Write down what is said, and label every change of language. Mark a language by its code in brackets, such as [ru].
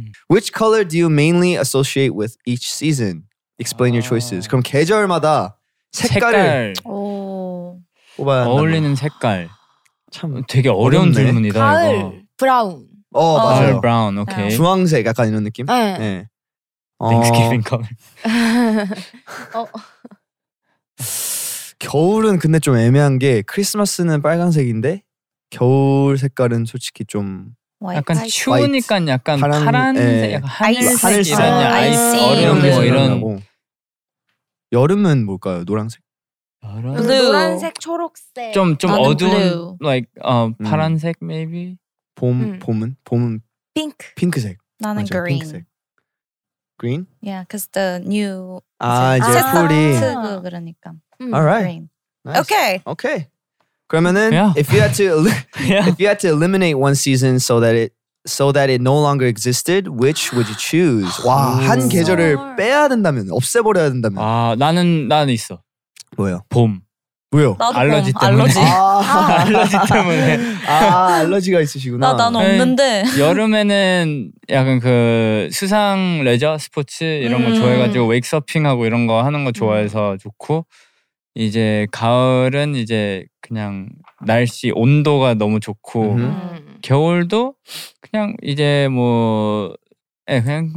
[en] Which color do you mainly associate with each season? Explain your choices. [ko] 그럼 계절마다 색깔을 색깔. 어울리는 색깔 참 되게 어려운 어렵네. 질문이다 가을, 이거. 가을 브라운. 어 맞아요. 가을 브라운 오케이. 주황색 약간 이런 느낌? 네. [en] 네. Thanksgiving color. [ko] 겨울은 근데 좀 애매한 게 크리스마스는 빨간색인데 겨울 색깔은 솔직히 좀 white, 약간 추우니까 white, 약간 파란색, 파란, 예. 하늘색 이런 아이스 얼음 뭐 이런 여름은 뭘까요? 노란색? 노란색, 초록색 좀 어두운 [en] blue. like [ko] 파란색 maybe 봄은 핑크 핑크색 나는 맞아, green 핑크색. [en] green yeah because the new [ko] 아 이제 아, 풀이 그러니까 [en] Alright. Nice. Okay. Okay. [ko] 그러면은 [en] yeah. if you had to if you had to eliminate one season so that it no longer existed, which would you choose? [ko] 와, 한 계절을 빼야 된다면 없애버려야 된다면. 아, 나는 있어. 뭐요? 봄. 뭐요? 알러지 봄. 때문에. 알러지. 알러지 때문에. 아, 알러지가 있으시구나. 난 없는데. 여름에는 약간 그 수상 레저 스포츠 이런 거 좋아해 가지고 웨이크서핑하고 이런 거 하는 거 좋아해서 좋고 이제 가을은 이제 그냥 날씨 온도가 너무 좋고 겨울도 그냥 이제 뭐 예 그냥